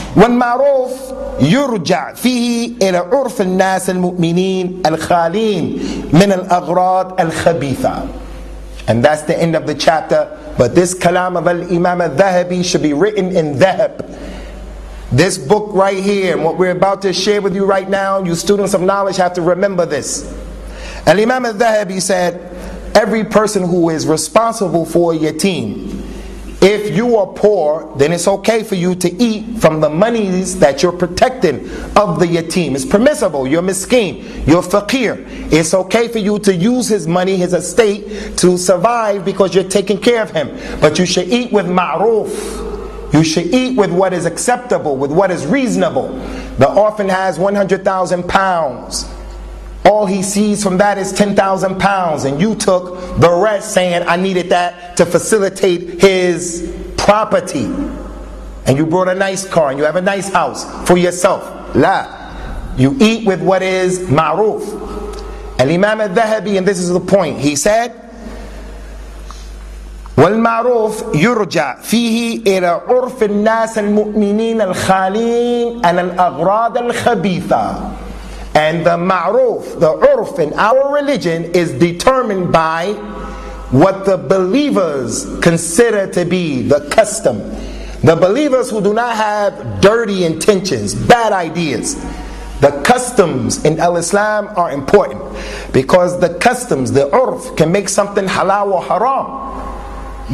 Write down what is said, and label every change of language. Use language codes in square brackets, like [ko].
[ar] والمعروف يرجع فيه إلى عرف الناس المؤمنين الخالين من الأغراض الخبيثة. [en] And that's the end of the chapter. But this kalam of Al-Imam al-Dhahabi should be written in dhahab. This book right here, and what we're about to share with you right now, you students of knowledge have to remember this. Al-Imam al-Dhahabi said, every person who is responsible for a yatim, if you are poor, then it's okay for you to eat from the monies that you're protecting of the yatim. It's permissible. You're miskin. You're faqir. It's okay for you to use his money, his estate, to survive because you're taking care of him. But you should eat with ma'ruf. You should eat with what is acceptable, with what is reasonable. The orphan has 100,000 pounds. All he sees from that is 10,000 pounds. And you took the rest saying, I needed that to facilitate his property. And you brought a nice car and you have a nice house for yourself. La. You eat with what is ma'ruf. Al-Imam al-Dhahabi, and this is the point, he said, [ar] والمعروف يرجع فيه إلى عرف الناس المؤمنين الخالين عن الأغراض الخبيثة. [en] And the ma'ruf, the urf in our religion, is determined by what the believers consider to be the custom. The believers who do not have dirty intentions, bad ideas. The customs in Al-Islam are important because the customs, the urf, can make something halal or haram.